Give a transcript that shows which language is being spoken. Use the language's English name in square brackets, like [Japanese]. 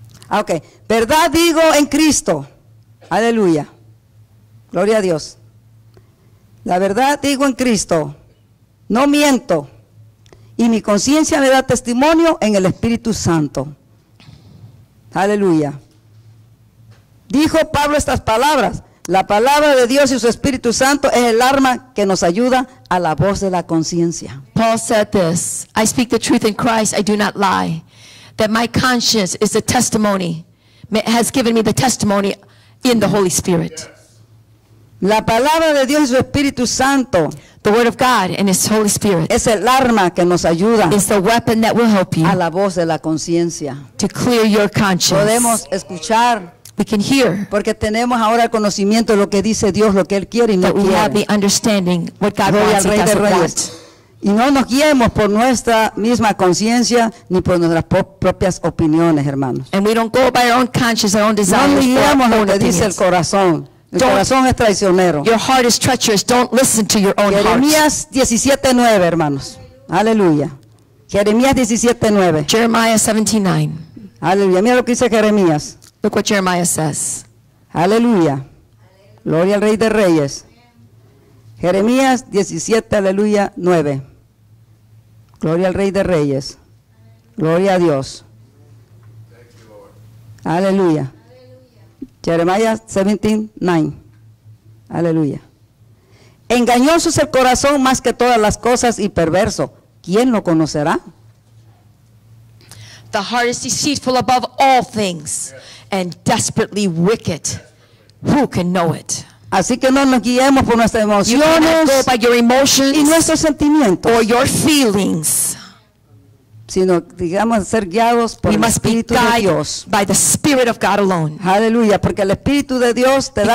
[Spanish] Okay, verdad digo en Cristo, aleluya, gloria a Dios, la verdad digo en Cristo, no miento, y mi conciencia me da testimonio en el Espíritu Santo, aleluya, dijo Pablo estas palabras, la palabra de Dios y su Espíritu Santo es el arma que nos ayuda a la voz de la conciencia. [English] Paul said this, I speak the truth in Christ, I do not lie. That my conscience is a testimony, has given me the testimony in the Holy Spirit. [Spanish] La palabra de Dios y su Espíritu Santo. [English] The word of God and His Holy Spirit. [Spanish] Es el arma que nos ayuda. [English] Is the weapon that will help you. [Spanish] A la voz de la conciencia. [English] To clear your conscience. [Spanish] Podemos escuchar. [English] We can hear. [Spanish] Porque tenemos ahora el conocimiento de lo que dice Dios, lo que Él quiere y no quiere. [English] That we have the understanding what God wants and doesn't want. [Spanish] Y no nos guiemos por nuestra misma conciencia ni por nuestras propias opiniones, hermanos. [English] And we don't go by our own conscience, our own desires. [Spanish] No nos guiemos por lo que dice el corazón. El corazón es traicionero. [English] Your heart is treacherous. Don't listen to your own heart. [Spanish] Jeremías 17:9, hermanos. Aleluya. Jeremías 17:9. [English] Jeremiah 17:9. [Spanish] Aleluya. Mira lo que dice Jeremías. [English] Look what Jeremiah says. [Spanish] Aleluya. Gloria al Rey de Reyes. Jeremías 17, aleluya, 9. Gloria al Rey de Reyes. Gloria a Dios. Aleluya. Jeremías 17:9. Aleluya. Engañoso es el corazón más que todas las cosas y perverso. ¿Quién lo conocerá? [English] The heart is deceitful above all things and desperately wicked. Who can know it? [Spanish] Así que no nos guiemos por nuestras emociones y nuestros sentimientos [English] or your feelings, [Spanish] sino digamos ser guiados por [English] we [Spanish] el Espíritu de Dios. [English] By the Spirit of God alone. [Spanish] Aleluya, porque el Espíritu de Dios te